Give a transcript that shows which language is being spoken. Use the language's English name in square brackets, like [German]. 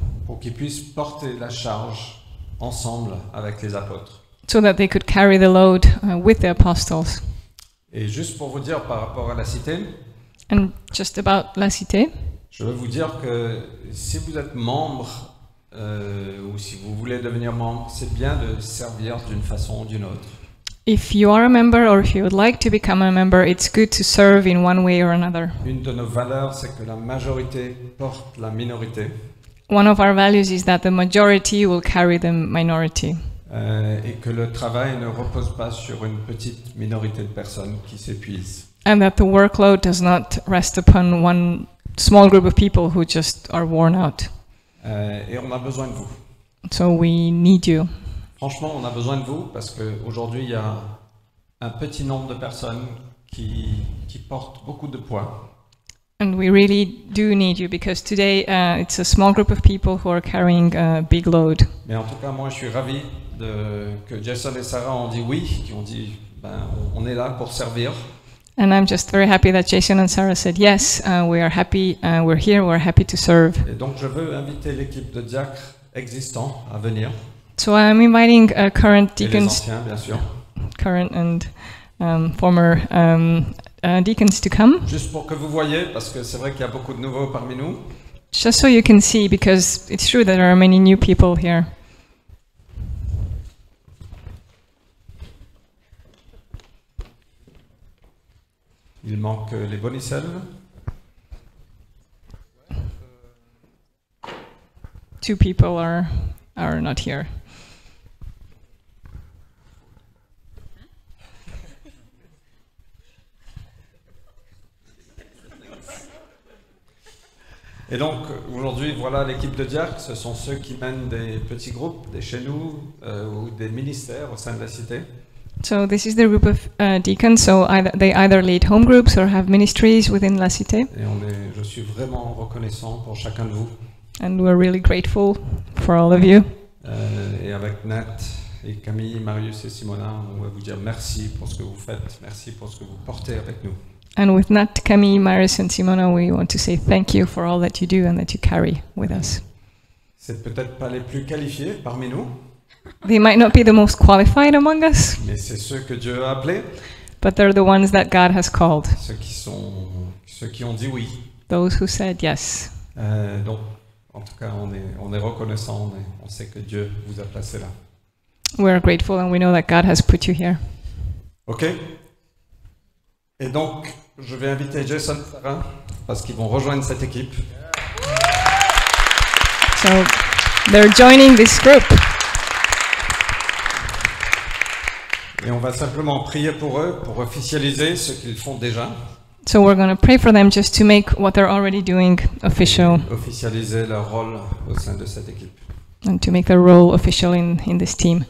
[French] Pour qu'ils puissent porter la charge ensemble avec les apôtres. [English] So that they could carry the load with the apostles. [French] Et juste pour vous dire par rapport à la cité. [English] And just about la cité. [French] Je veux vous dire que si vous êtes membre ou si vous voulez devenir membre, c'est bien de servir d'une façon ou d'une autre. [English] If you are a member or if you would like to become a member, it's good to serve in one way or another. [French] Une de nos valeurs, c'est que la majorité porte la minorité. [English] One of our values is that the majority will carry the minority. [French] Et que le travail ne repose pas sur une petite minorité de personnes qui s'épuisent. [English] And that the workload does not rest upon one small group of people who just are worn out. [French] Et on a besoin de vous. [English] So we need you. [French] Franchement, on a besoin de vous parce qu'aujourd'hui, il y a un petit nombre de personnes qui portent beaucoup de poids. [English] And we really do need you because today, it's a small group of people who are carrying a big load. [French] Mais en tout cas, moi, je suis ravi que Jason et Sarah ont dit oui, qui ont dit, ben, on est là pour servir. [English] And I'm just very happy that Jason and Sarah said yes, we are happy, we're here, we're happy to serve. [French] Et donc je veux inviter l'équipe de diacres existants à venir. [English] So I'm inviting current deacons, [French] et les anciens, bien sûr. [English] Current and former deacons to come. [French] Juste pour que vous voyez, parce que c'est vrai qu'il y a beaucoup de nouveaux parmi nous. [English] Just so you can see, because it's true that there are many new people here. [French] Il manque les bonicelles. [English] Two people are not here. [French] Et donc aujourd'hui, voilà l'équipe de diacres. Ce sont ceux qui mènent des petits groupes, des chez nous ou des ministères au sein de la cité. [English] So this is the group of deacons. So they either lead home groups or have ministries within La Cité. [French] Et je suis vraiment reconnaissant pour chacun de vous. [English] And we're really grateful for all of you. [French] Et avec Nat et Camille, Marius et Simona, on va vous dire merci pour ce que vous faites, merci pour ce que vous portez avec nous. [English] And with Nat, Camille, Marius and Simona, we want to say thank you for all that you do and that you carry with us. [French] C'est peut-être pas les plus qualifiés parmi nous. [English] They might not be the most qualified among us. [French] Mais c'est ceux que Dieu a appelés. [English] But they're the ones that God has called. [French] Ceux qui ont dit oui. [English] Those who said yes. [French] Donc, en tout cas, on est reconnaissant. On sait que Dieu vous a placé là. [English] We are grateful and we know that God has put you here. Ok. [French] Et donc, je vais inviter Jason et Sarah parce qu'ils vont rejoindre cette équipe. [English] So, They're joining this group. [French] Et on va simplement prier pour eux pour officialiser ce qu'ils font déjà. [English] So we're going to pray for them just to make what they're already doing official. [French] Officialiser leur rôle au sein de cette équipe. [English] And to make their role official in this team.